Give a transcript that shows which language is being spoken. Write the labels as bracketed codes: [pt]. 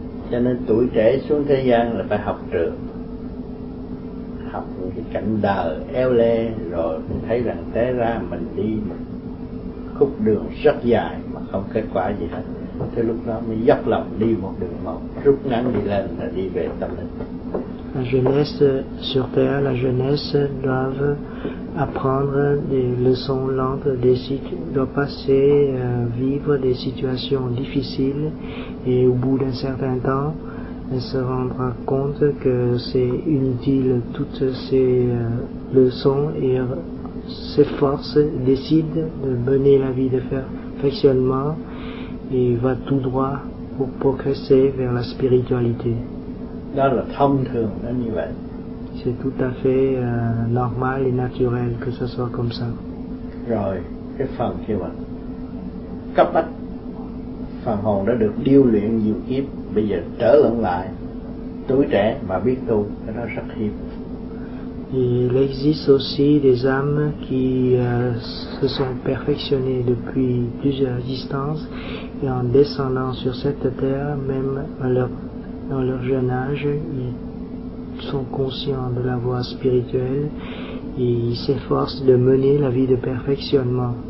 [vi] Cho nên tuổi trẻ xuống thế gian là phải học trường. Học cái cảnh đời eo le rồi mình thấy rằng té ra mình đi khúc đường rất dài mà không kết quả gì hết. Thế lúc đó mới dốc lòng đi một đường mòn, rút ngắn đi lên là đi về tâm linh. [fr] La jeunesse sur terre, la jeunesse doivent apprendre des leçons lentes, doivent passer, vivre des situations difficiles et au bout d'un certain temps, se rendre compte que c'est inutile toutes ces leçons et s'efforcent, décident de mener la vie de faire perfectionnement et va tout droit pour progresser vers la spiritualité. [vi] Đó là thông thường, nó như vậy. [fr] C'est tout à fait normal et naturel que ce soit comme ça. [vi] Rồi, cái phần kia mà cấp bách, phần hồn đã được điêu luyện nhiều kiếp, bây giờ trở lẫn lại, tuổi trẻ mà biết tu, cái đó rất hiếm. [fr] Il existe aussi des âmes qui se sont perfectionnées depuis plusieurs distances et en descendant sur cette terre, même à leur dans leur jeune âge, ils sont conscients de la voie spirituelle et ils s'efforcent de mener la vie de perfectionnement.